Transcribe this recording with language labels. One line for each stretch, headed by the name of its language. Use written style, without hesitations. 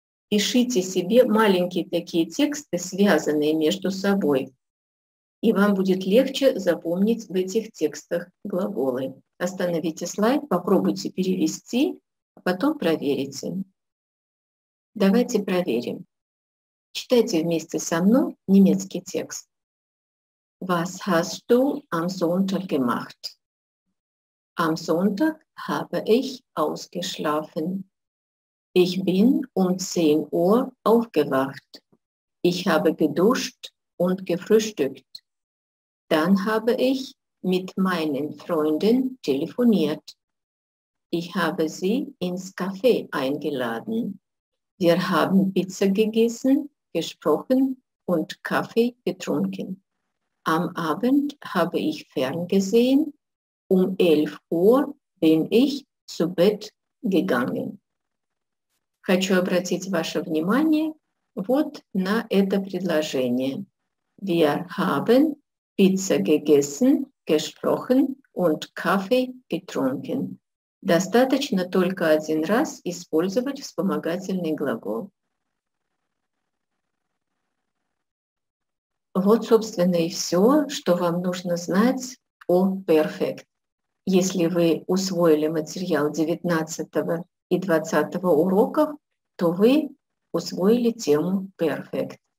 Russian: Пишите себе маленькие такие тексты, связанные между собой, и вам будет легче запомнить в этих текстах глаголы. Остановите слайд, попробуйте перевести, а потом проверите. Давайте проверим. Читайте вместе со мной немецкий текст.
German: Was hast du am Sonntag gemacht? Am Sonntag habe ich ausgeschlafen. Ich bin um 10 Uhr aufgewacht. Ich habe geduscht und gefrühstückt. Dann habe ich mit meinen Freunden telefoniert. Ich habe sie ins Café eingeladen. Wir haben Pizza gegessen, gesprochen und Kaffee getrunken. Am Abend habe ich ferngesehen. Um 11 Uhr bin ich zu Bett gegangen.
Russian: Хочу обратить ваше внимание вот на это предложение.
German: Wir haben Pizza gegessen, gesprochen und Kaffee getrunken.
Russian: Достаточно только один раз использовать вспомогательный глагол. Вот, собственно, и все, что вам нужно знать о Perfect. Если вы усвоили материал 19 и 20 уроков, то вы усвоили тему Perfect.